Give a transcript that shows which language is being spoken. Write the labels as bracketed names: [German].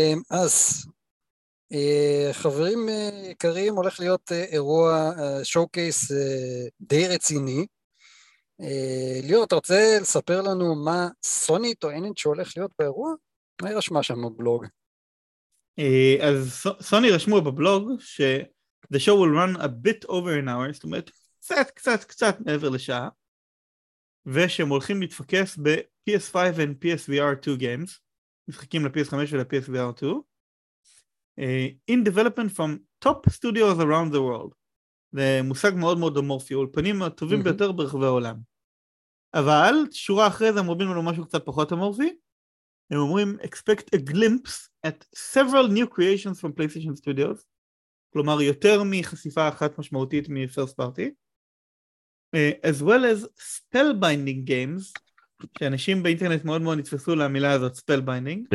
[Hebrew] אז, חברים יקרים, הולך להיות אירוע, שואוקייס די רציני. ליאור, אתה רוצה לספר לנו מה סוני טוענת שהולך להיות באירוע? מה היא רשמה שם בבלוג? אז סוני רשמו בבלוג ש- [English] The show will run a bit over an hour, [Hebrew] זאת אומרת, קצת מעבר לשעה, ושהם הולכים להתפקס ב- [English] PS5 and PSVR 2 games, [Hebrew] משחקים ל-PS5 ול-PSVR 2, [English] in development from top studios around the world. [Hebrew] זה מושג מאוד מאוד אמורפי, אולפנים הטובים ביותר ברחבי העולם. אבל שורה אחרי זה הם רובים לנו משהו קצת פחות אמורפי, הם אומרים, [English] expect a glimpse at several new creations from PlayStation Studios, [Hebrew] כלומר, יותר מחשיפה אחת משמעותית מ-First Party, [English] as well as spellbinding games, [Hebrew] שאנשים באינטרנט מאוד מאוד נתפסו למילה הזאת, spellbinding.